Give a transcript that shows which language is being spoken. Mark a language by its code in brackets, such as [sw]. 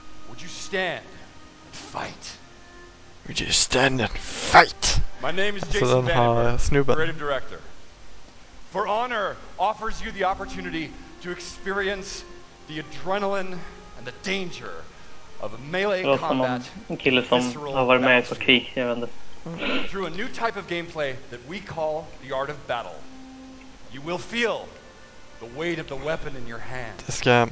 [en] Would you stand and fight? Would you stand and fight? My name is Jason Vandenberg, creative director. For Honor offers you the opportunity to experience the adrenaline and the danger of a melee combat. [sv] En kille som har varit med i krig, jag vet inte. [en] Through a new type of gameplay that we call the art of battle, you will feel the weight of the weapon in your hand.